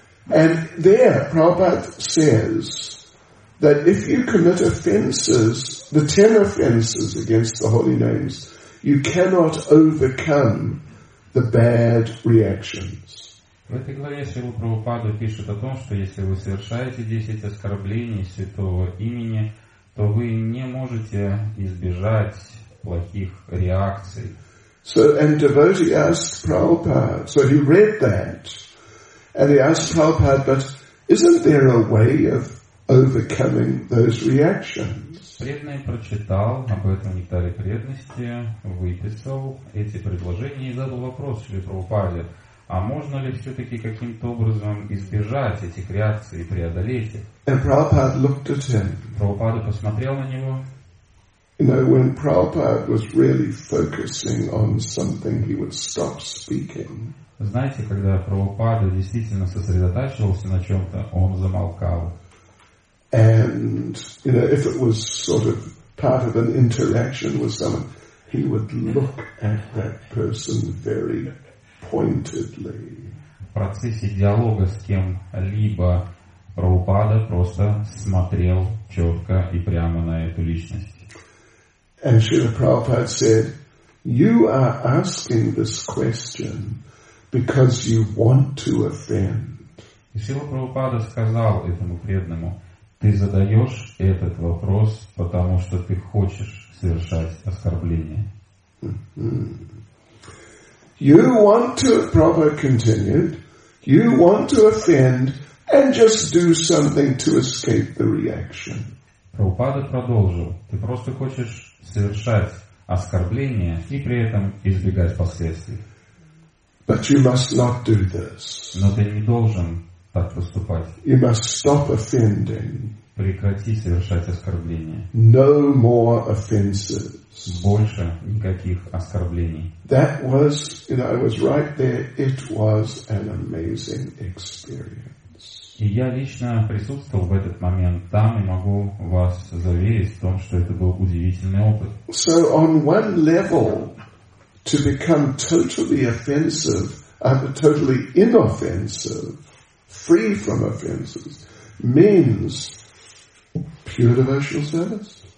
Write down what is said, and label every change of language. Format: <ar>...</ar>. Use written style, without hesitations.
<en>And there, Prabhupada says that if you commit offences, the 10 offences against the holy names, you cannot overcome the bad reactions.</en> <ru>В этой главе Шрила Прабхупада пишет о том, что если вы совершаете 10 оскорблений святого имени, то вы не можете избежать плохих реакций.</ru> <en>So, and devotee asked Prabhupada, so he read that. And he asked Prabhupada, but isn't there a way of overcoming those reactions?</en> <ru>Преданный прочитал об этом нектаре преданности, выписал эти предложения и задал вопрос Шри Прабхупаде, а можно ли все-таки каким-то образом избежать этих реакций и преодолеть их?</ru> <en>And Prabhupada looked at him.</en> <ru>Прабхупада посмотрел на него.</ru> <en>You know, when Prabhupada was really focusing on something, he would stop speaking.</en> <ru>Знаете, когда Прабхупада действительно сосредотачивался на чем-то, он замолкал.</ru> <en>And, you know, if it was sort of part of an interaction with someone, he would look at that person very pointedly.</en> <ru>В процессе диалога с кем-либо Прабхупада просто смотрел четко и прямо на эту личность.</ru> <en>And Srila Prabhupada said, "You are asking this question because you want to offend."</en> <ru>И Шрила Прабхупада сказал этому преданному, ты задаешь этот вопрос, потому что ты хочешь совершать оскорбление.</ru> <en>You want to, Prabhupada continued, you want to offend and just do something to escape the reaction.</en> <ru>Прабхупада продолжил, ты просто хочешь совершать оскорбления и при этом избегать последствий.</ru> <en>But you must not do this.</en> <ru>Но ты не должен так поступать.</ru> <en>You must stop offending.</en> <ru>Прекрати совершать оскорбления.</ru> <en>No more offenses.</en> <ru>Больше никаких оскорблений.</ru> <en>That was, you know, I was right there. It was an amazing experience.</en> <ru>И я лично присутствовал в этот момент там и могу вас заверить в том, что это был удивительный опыт.</ru> <en>So on one level, to become totally offensive and totally inoffensive, free from offenses, means pure devotional service.</en>